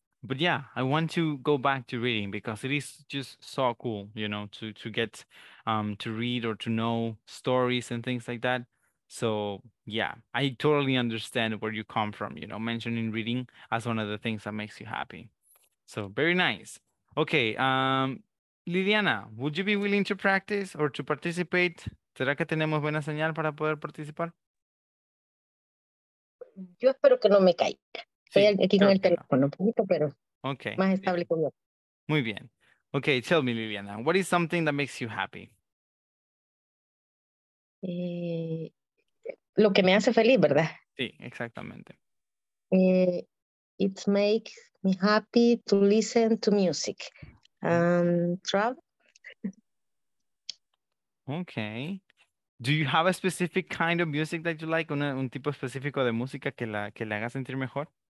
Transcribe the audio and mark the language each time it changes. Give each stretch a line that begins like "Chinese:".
English: But yeah, I want to go back to reading because it is just so cool, you know, to get to read or to know stories and things like that. So yeah, I totally understand where you come from, you know, mentioning reading as one of the things that makes you happy. So very nice. Okay, Liliana, would you be willing to practice or to participate?
Spanish: ¿Será que tenemos buena señal para poder participar? Yo espero que no me caiga. Estoy aquí con el teléfono un poquito, pero okay. Más estable con yo. Muy bien.
English: Okay, tell me, Liliana, what is something that makes you happy?
Spanish: Lo que me hace feliz, ¿verdad? Sí, exactamente.
English: It makes me happy to listen to music and travel. Okay. Do you have a specific kind of music that you like?
Spanish: Un tipo específico de música que le haga sentir mejor?